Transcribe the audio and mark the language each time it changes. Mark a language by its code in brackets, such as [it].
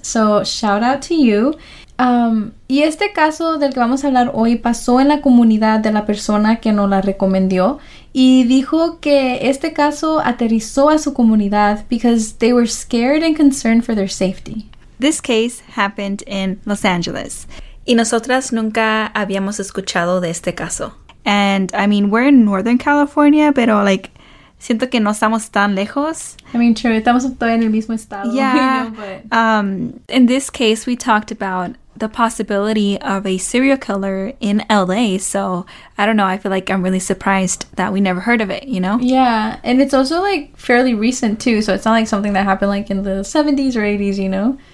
[en] So shout out to you. [es] Y este caso del que vamos a hablar hoy pasó en la comunidad de la persona que nos la recomendó y dijo que este caso aterrizó a su comunidad [en] because they were scared and concerned for their safety. This case happened in Los Angeles. [es] Y nosotras nunca habíamos escuchado de este caso. [en] And I mean, we're in Northern California, pero like, [es] siento que no estamos tan lejos. [en] I mean, true, [es] estamos todavía en el mismo estado. [en] Yeah. In this case, we talked about the possibility of a serial killer in LA. So I don't know. I feel like I'm really surprised that we never heard of it, you know? Yeah. And it's also like fairly recent too. So it's not like something that happened like in the 70s or 80s, you know?